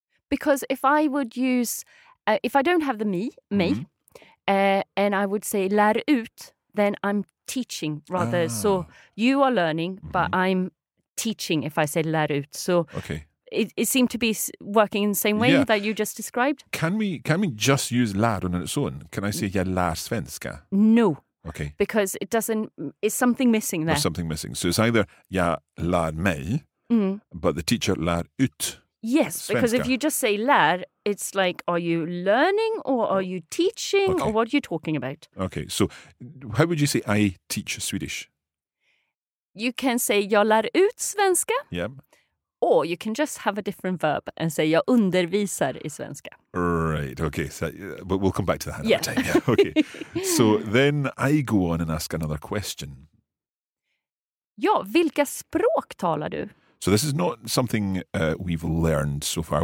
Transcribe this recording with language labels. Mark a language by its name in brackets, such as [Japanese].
[English] Because if I would use, if I don't have the me, mm-hmm. And I would say [Swedish] lär ut, [English] then I'm teaching rather. Ah. So you are learning, mm-hmm. but I'm teaching if I say [Swedish] lär ut. [English] So okay. it seemed to be working in the same way that you just described. Can we just use lär on its own? Can I say [Swedish] jag lär svenska? [English] No. Okay. Because it doesn't, it's something missing there. There's something missing. So it's either [Swedish] jag lär mig, [English] mm-hmm. but the teacher [Swedish] lär ut. [English] Yes, [Swedish] svenska. [English] Because if you just say lär, it's like, are you learning or are you teaching or what are you talking about? Okay, so how would you say I teach Swedish? You can say [Swedish] jag lär ut svenska. [English] Yeah. Or you can just have a different verb and say [Swedish] jag undervisar i svenska. [English] Right, okay. But we'll come back to that another time. Yeah. Okay. So then I go on and ask another question. [Swedish] Ja, vilka språk talar du? [English] So this is not something we've learned so far.